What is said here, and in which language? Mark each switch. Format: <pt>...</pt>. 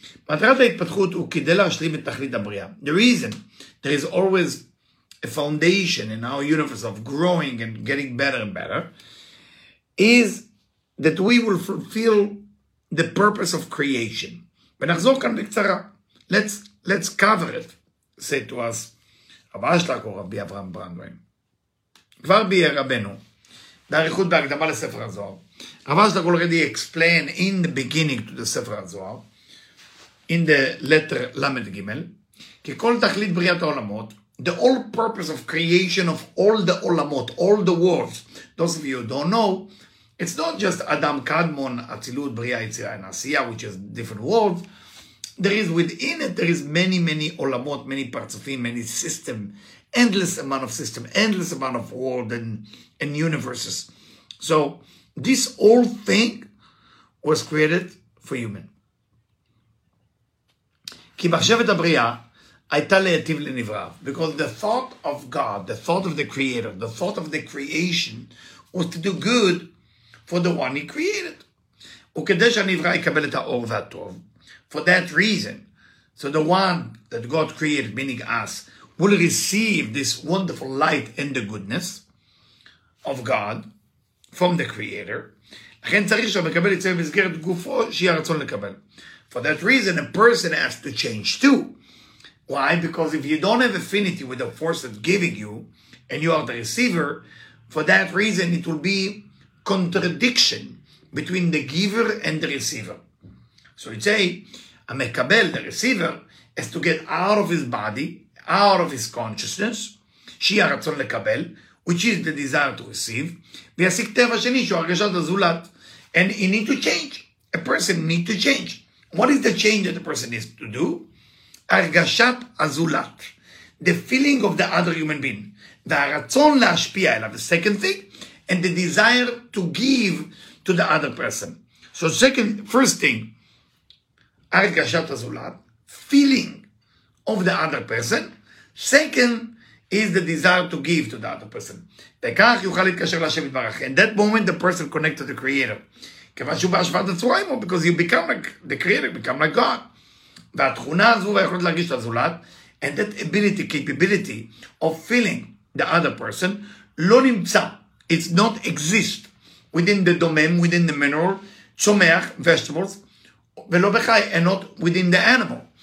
<he>Matrat ha'itpatchut hu kidei lehashlim et tachlit habriah.</he> <en>The reason there is always a foundation in our universe of growing and getting better and better is that we will fulfill the purpose of creation.</en> <he>ונחזור כאן בקצרה.</he> <en>Let's cover it, said to us, רב אשלג או רבי אברהם ברנדווין.</en> <he>כבר ביאר רבנו, באריכות בהקדמה לספר הזוהר,</he> <en>רב אשלג already explained in the beginning to the ספר הזוהר, in the letter למד גימל,</en> <he>כי כל תכלית בריאת העולמות,</he> <en>the whole purpose of creation of all the עולמות, all the worlds, those of you who don't know, it's not just Adam Kadmon, Atzilut, Bria, Yitzira, and Asiya, which is different worlds. There is within it, there is many, many olamot, many parzufim, many system, endless amount of system, endless amount of world and universes. So this whole thing was created for human.</en> <he>Ki b'chshevet ha'briya, hayta le'ativ le'nivrav.</he> <en>Because the thought of God, the thought of the creator, the thought of the creation was to do good for the one he created.</en> <he>וכדי שהנברא יקבל את האור והטוב.</he> <en>For that reason, so the one that God created, meaning us, will receive this wonderful light and the goodness of God from the creator.</en> <he>לכן צריך שהוא מקבל יצא במסגרת גופו שיהיה רצון לקבל.</he> <en>For that reason, a person has to change too. Why? Because if you don't have affinity with the force that's giving you, and you are the receiver, for that reason, it will be contradiction between the giver and the receiver. So it's a mekabel, the receiver, has to get out of his body, out of his consciousness,</en> <he>שיהיה רצון לקבל,</he> <en>which is the desire to receive,</en> <he>וישיג טבע שני, שהוא הרגשת הזולת,</he> <en>and he need to change. A person need to change. What is the change that the person needs to do?</en> <he>הרגשת הזולת.</he> <en>The feeling of the other human being.</en> <he>והרצון להשפיע אליו.</he> <en>The second thing, and the desire to give to the other person. So second, first thing,</en> <he>הרגשת הזולת,</he> <en>feeling of the other person. Second is the desire to give to the other person.</en> <he>וכך יוכל להתקשר להשם יתברך.</he> <en>In that moment, the person connects to the creator.</en> <he>כיוון שהוא בהשוואת הצורה,</he> <en>because you become like the creator, become like God.</en> <he>והתכונה הזו והיכולת להרגיש את הזולת,</he> <en>and that ability, capability of feeling the other person,</en> <he>לא נמצא.</he> <en>It's not exist within the domain, within the mineral, tzomeach, vegetables,</en> <he>ולא בחי,</he> <en>and not within the animal.</en>